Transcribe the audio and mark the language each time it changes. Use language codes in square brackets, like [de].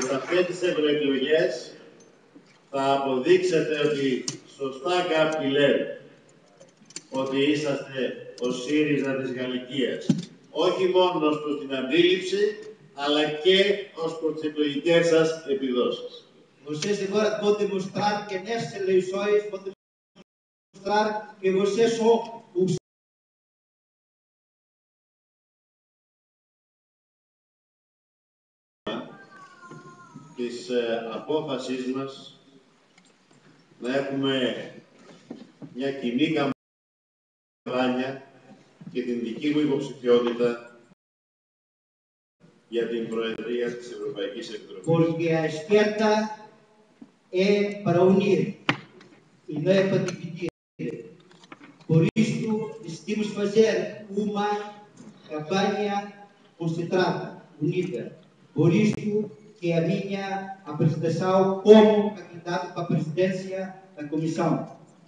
[el] Και τις ευρωεκλογές θα αποδείξετε ότι σωστά κάποιοι λένε ότι είσαστε ο ΣΥΡΙΖΑ της Γαλλικίας. Όχι μόνο προς την αντίληψη, αλλά και ως προς τις εκλογικές σας επιδόσεις. [pt] Vocês agora vão demonstrar que nessas eleições vão demonstrar que vocês são o [el] της απόφασής μας να έχουμε μια κοινή καμπάνια και την δική μου υποψηφιότητα για την Προεδρία της Ευρωπαϊκής Επιτροπής. [pt] Porque a esquerda é para unir e não é para dividir. Por isto, decidimos fazer uma campanha concentrada, unida. Por isto, que é a minha apresentação como candidato para a presidência da Comissão.